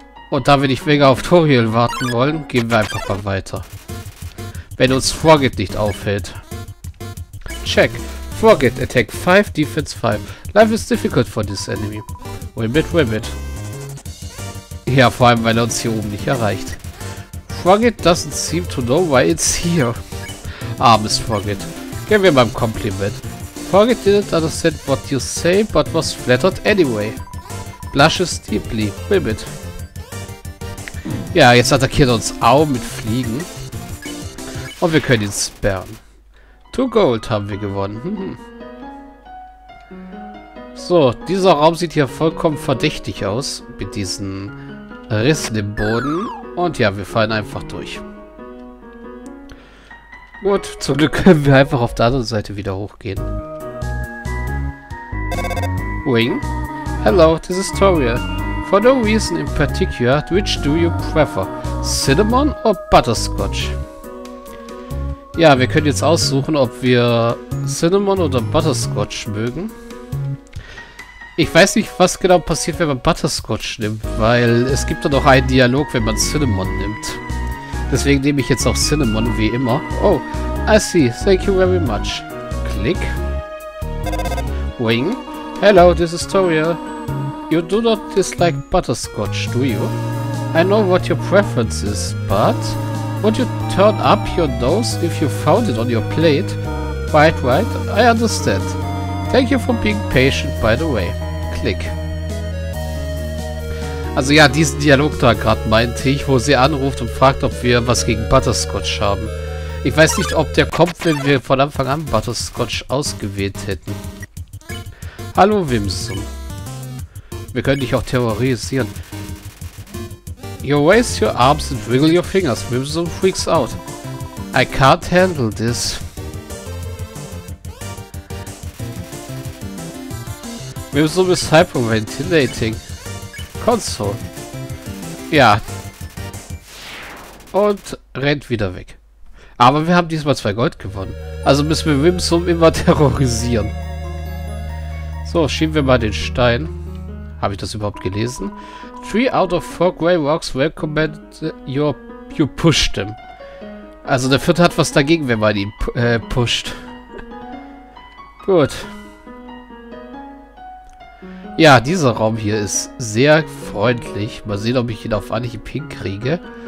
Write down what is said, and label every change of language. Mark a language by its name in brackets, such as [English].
[German] Und da wir nicht länger auf Toriel warten wollen, gehen wir einfach mal weiter. Wenn uns Forget nicht auffällt. Check. [English] Forget, Attack 5, Defense 5. Life is difficult for this enemy. Ribbit, ribbit. [German] Ja, vor allem, weil er uns hier oben nicht erreicht. [English] Forget doesn't seem to know why it's here. [German] Armes Forget. Geben wir mal ein Kompliment. [English] Forget didn't understand what you say, but was flattered anyway. Blushes deeply. Ribbit. [German] Ja, jetzt attackiert er uns auch mit Fliegen. Und wir können ihn sperren. 2 Gold haben wir gewonnen. So, dieser Raum sieht hier vollkommen verdächtig aus. Mit diesen Rissen im Boden. Und ja, wir fallen einfach durch. Gut, zum Glück können wir einfach auf der anderen Seite wieder hochgehen. [English] Wing? Hello, this is Toriel. For no reason in particular, which do you prefer? Cinnamon or Butterscotch? [German] Ja, wir können jetzt aussuchen, ob wir Cinnamon oder Butterscotch mögen. Ich weiß nicht, was genau passiert, wenn man Butterscotch nimmt, weil es gibt da noch einen Dialog, wenn man Cinnamon nimmt. Deswegen nehme ich jetzt auch Cinnamon, wie immer. [English] Oh, I see. Thank you very much. Klick. Wing. Hello, this is Toriel. You do not dislike Butterscotch, do you? I know what your preference is, but... Would you turn up your nose if you found it on your plate? Right, right, I understand. Thank you for being patient, by the way. [German] Klick. Also ja, diesen Dialog da gerade meinte ich, wo sie anruft und fragt, ob wir was gegen Butterscotch haben. Ich weiß nicht, ob der kommt, wenn wir von Anfang an Butterscotch ausgewählt hätten. Hallo, Wimsum. Wir können dich auch terrorisieren. [English] You raise your arms and wiggle your fingers. Wimson freaks out. I can't handle this. Wimson is hyperventilating. Console. Ja. [German] Und rennt wieder weg. Aber wir haben diesmal 2 Gold gewonnen. Also müssen wir Wimson immer terrorisieren. So, schieben wir mal den Stein. Habe ich das überhaupt gelesen? [English] 3 out of 4 Grey Rocks welcome you push them. [German] Also der vierte hat was dagegen, wenn man ihn pusht. Gut. Ja, dieser Raum hier ist sehr freundlich. Mal sehen, ob ich ihn auf Anhieb hinkriege.